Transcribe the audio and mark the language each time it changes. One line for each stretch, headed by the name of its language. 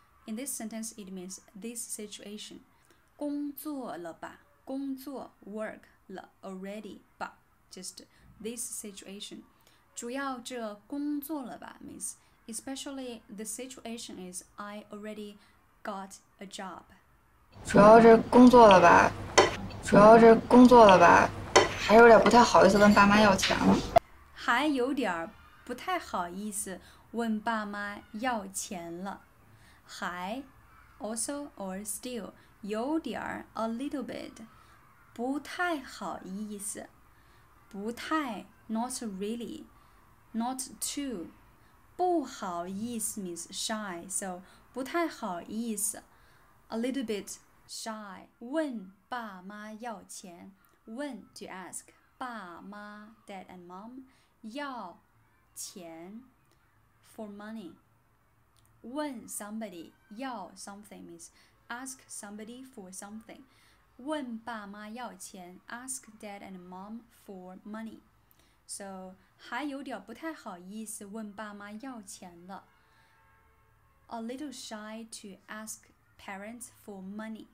English: In this sentence, it means this situation.
Chinese: 工作了吧？工作
English: work 了 already, but just this situation.
Chinese: 主要这工作了吧？
English: Means especially the situation is I already got a job.
Chinese: 主要是工作了吧，主要是工作了吧，还有点不太好意思问爸妈要钱了。还有点不太好意思问爸妈要钱了，还，
English: also or still，
Chinese: 有点
English: a little bit，
Chinese: 不太好意思，不太
English: not really，not too，
Chinese: 不好意思
English: means shy，so
Chinese: 不太好意思，
English: a little bit shy，
Chinese: 问爸妈要钱，问
English: to ask
Chinese: 爸妈
English: dad and mom。
Chinese: 要钱
English: for money. 问 somebody 要 something means ask somebody for something.
Chinese: 问爸妈要钱
English: ask dad and mom for money.
Chinese: So 还有点不太好意思问爸妈要钱了。
English: A little shy to ask parents for money.